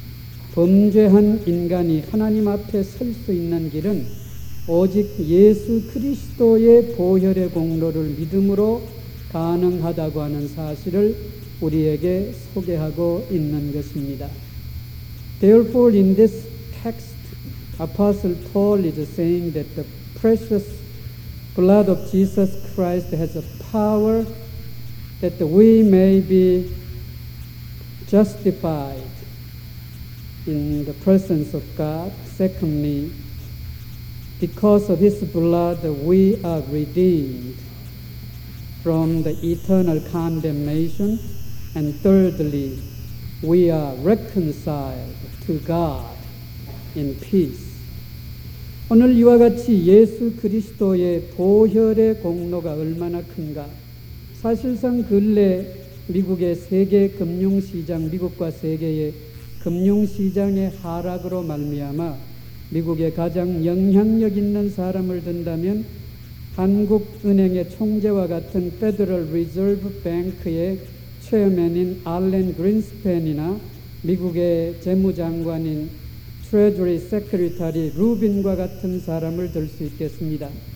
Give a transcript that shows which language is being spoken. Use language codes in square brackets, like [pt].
[ko] 범죄한 인간이 하나님 앞에 설 수 있는 길은 오직 예수 그리스도의 보혈의 공로를 믿음으로 가능하다고 하는 사실을 우리에게 소개하고 있는 것입니다. [en] Therefore, in this text, Apostle Paul is saying that the precious blood of Jesus Christ has a power that we may be justified in the presence of God. Secondly, because of his blood, we are redeemed from the eternal condemnation. And thirdly, we are reconciled to God in peace. [ko] 오늘 이와 같이 예수 그리스도의 보혈의 공로가 얼마나 큰가? 사실상 근래 미국의 세계 금융시장, 미국과 세계의 금융시장의 하락으로 말미암아 미국의 가장 영향력 있는 사람을 든다면 한국은행의 총재와 같은 Federal Reserve Bank의 체어맨인 알렌 그린스펜이나 미국의 재무장관인 트레저리 세크리터리 루빈과 같은 사람을 들 수 있겠습니다.